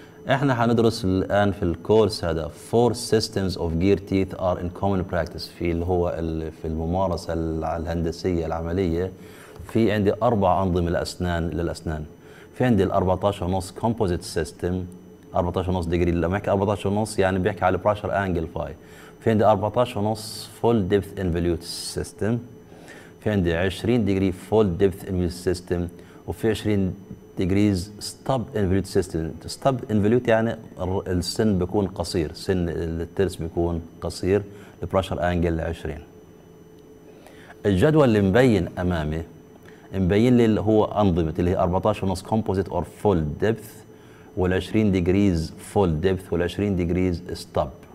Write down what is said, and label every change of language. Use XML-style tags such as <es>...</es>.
<ar>احنا هندرس الان في الكورس هذا</ar> <en>four systems of gear teeth are in common practice،</en> <ar>في اللي هو في الممارسة الهندسية العملية في عندي اربع انظمة الاسنان للاسنان. في عندي ال 14.5 composite system، 14.5 degree، لما يحكي 14.5 يعني بيحكي على pressure angle phi. في عندي</ar> <en>14.5 full depth involute system، في عندي 20 degree full depth involute system، وفي 20 degrees stub involute system.</en> <ar>stub involute يعني السن بيكون قصير، سن الترس بيكون قصير.</ar> <en>the pressure angle 20.</en> <ar>الجدول اللي مبين امامي مبين لي اللي هو انظمة اللي هي 14.5 composite or full depth، وال 20 degrees full depth، وال 20 degrees stub.</ar>